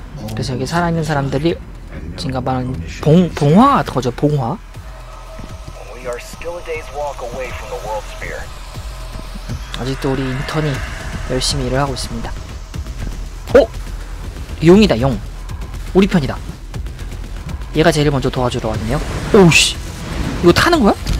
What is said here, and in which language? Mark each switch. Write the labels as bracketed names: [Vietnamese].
[Korean] 그래서 여기 살아있는 사람들이 지금 말한 봉화 같은 거죠. 봉화? [English] We are still a day's walk away from the world sphere. [Korean] 아직도 우리 인턴이 열심히 일을 하고 있습니다. 어? 용이다 용. 우리 편이다. 얘가 제일 먼저 도와주러 왔네요. 오우씨 이거 타는 거야?